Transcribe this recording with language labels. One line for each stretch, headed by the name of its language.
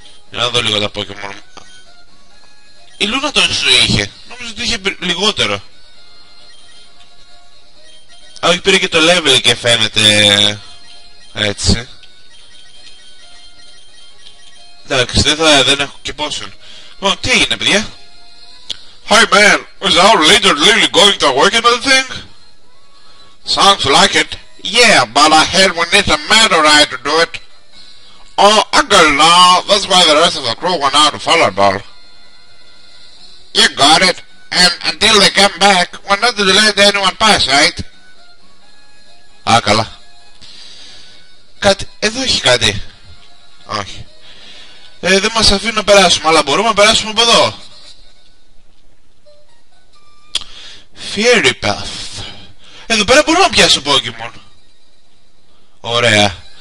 Greek: Για να δω λίγο τα Pokémon. Η Λούνα τον σου είχε. Νομίζω ότι είχε λιγότερο. Α, όχι, πήρε και το level και φαίνεται... Έτσι. Εντάξει, δεν έχω και πόσον. Λοιπόν, τι έγινε, παιδιά.
English: Hi man, is our leader really going to awaken the thing? Sounds like it. Yeah, but I heard we need a meteorite to do it. Oh, I got it now. That's why the rest of the crew went out to follow ball. You got it. And until they come back, we're not
Greek: Πάντα το λέει The Animal Parasite. Α, καλά. Κάτι, εδώ έχει κάτι. Όχι. Δεν μας αφήνει να περάσουμε, αλλά μπορούμε να περάσουμε από εδώ. Fairy Path. Εδώ πέρα μπορούμε να πιάσουμε Pokémon. Ωραία.